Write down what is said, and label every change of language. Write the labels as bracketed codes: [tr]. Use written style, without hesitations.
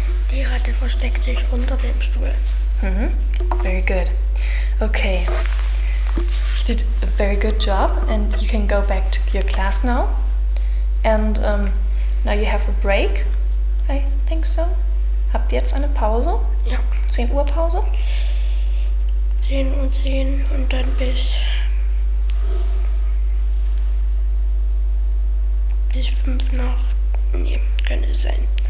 [de] Die Ratte versteckt sich unter dem Stuhl. [en] Very good. Okay. You did a very good job, and you can go back to your class now. And now you have a break, I think so. [de] Habt ihr jetzt eine Pause? Ja. 10 Uhr Pause? 10 Uhr 10 und dann bis 5 nach. Nee, könnte sein.